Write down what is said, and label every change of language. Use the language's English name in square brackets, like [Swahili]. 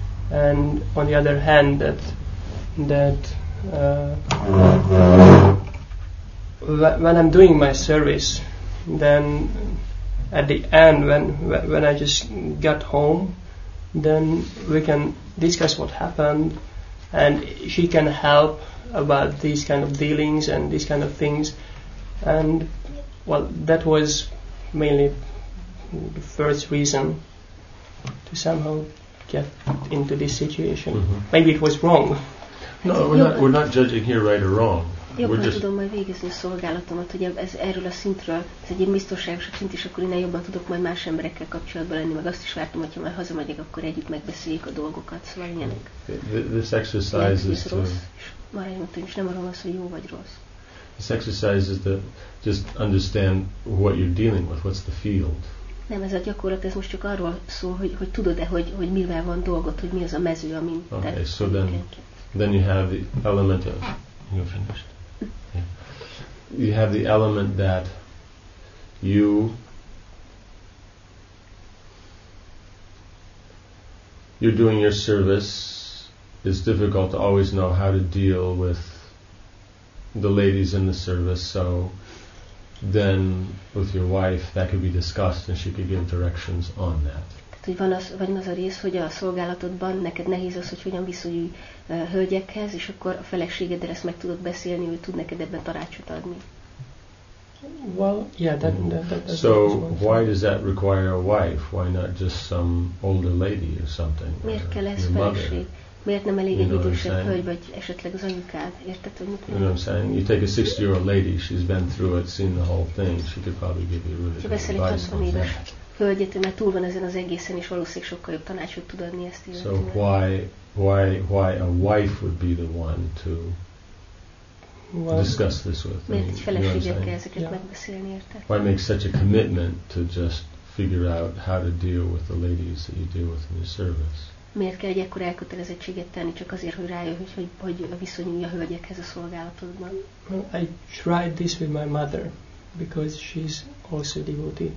[English] And on the other hand, when I'm doing my service, then at the end, when I just got home, then we can discuss what happened, and she can help about these kind of dealings and these kind of things. And well, that was mainly the first reason to somehow get into this situation. Mm-hmm. Maybe it was wrong. No, we're not judging here right or wrong. [Hungarian] Jobban tudom majd végezni a szolgálatomat, hogy ez erről a szintről, ez egy biztonságos szint is, akkor innen jobban tudok majd más emberekkel kapcsolatban lenni, meg azt is vártam, hogyha már hazamegyek, akkor együtt megbeszéljük a dolgokat, szóval ilyenek. [English] This exercise is to... [Hungarian] Maradjunk ott, és nem arról van szó, hogy jó vagy rossz. [English] This exercise is to just understand what you're dealing with, what's the field. [Hungarian] Nem, ez a gyakorlat, ez most csak arról szól, hogy tudod-e, hogy mivel van dolgot, hogy mi az a mező, amin te... [English] Okay, so then you have the element of... You're finished. Yeah. You have the element that you you're doing your service. It's difficult to always know how to deal with the ladies in the service. So then, with your wife, that could be discussed, and she could give directions on that. [Hungarian] hogy van az, vagy az a rész, hogy a szolgálatodban neked nehéz az, hogy hogyan viszonyulj hölgyekhez, és akkor a feleségeddel ezt meg tudod beszélni, hogy tud neked ebben tanácsot adni. [English] Well, yeah, that's so why does that require a wife? Why not just some older lady or something? [Hungarian] Miért kell ez feleség? Miért nem elég egy idősebb hölgy, vagy esetleg az anyukád? Érted, hogy mit mondom? [English] You know what I'm saying? You take a 60-year-old lady, she's been through it, seen the whole thing, she could probably give you really good advice. [Hungarian] Veszel egy 60 éves hölgyet, mert túl van ezen az egészen, és valószínűleg sokkal jobb tanácsot tud adni ezt illetően. [English] So why a wife would be the one to discuss this with me? [Hungarian] Miért egy feleséggel kell ezeket megbeszélni, érted? [English] Why make such a commitment to just figure out how to deal with the ladies that you deal with in your service? [Hungarian] Miért kell egy ekkora elkötelezettséget tenni csak azért, hogy rájöjj, hogy viszonyulj a hölgyekhez a szolgálatodban? [English] Well, I tried this with my mother, because she's also a devotee.